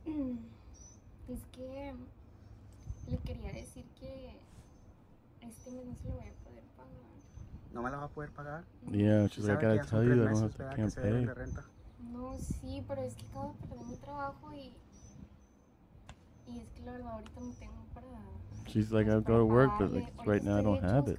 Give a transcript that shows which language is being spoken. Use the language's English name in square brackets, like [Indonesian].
[Spanish] Es que le quería decir que este mes no se lo voy a poder pagar. ¿No me lo va a poder pagar? [English] Yeah, she's like, I gotta tell you, I don't have to can't pay. [Spanish] No, sí, pero es que acabo de perder mi trabajo y es que la verdad ahorita no tengo para... [English] She's like, I'll go to work, but like, right now I don't have it.